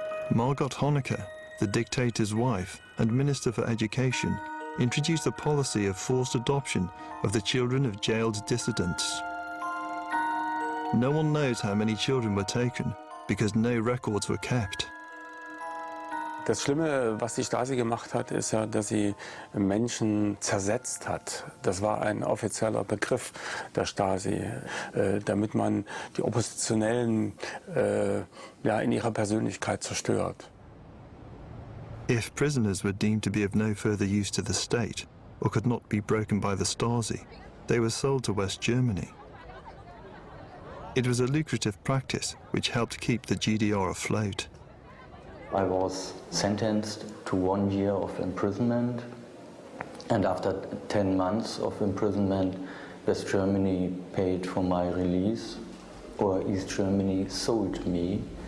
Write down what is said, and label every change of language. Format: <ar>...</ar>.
<en>Margot Honecker, the dictator's wife and minister for education, introduced the policy of forced adoption of the children of jailed dissidents. No one knows how many children were taken, because no records were kept.</en> <de>Das Schlimme, was die Stasi gemacht hat, ist ja, dass sie Menschen zersetzt hat. Das war ein offizieller Begriff der Stasi, damit man die Oppositionellen in ihrer Persönlichkeit zerstört.</de> <en>If prisoners were deemed to be of no further use to the state or could not be broken by the Stasi, they were sold to West Germany. It was a lucrative practice which helped keep the GDR afloat. I was sentenced to 1 year of imprisonment, and after 10 months of imprisonment, West Germany paid for my release, or East Germany sold me.</en>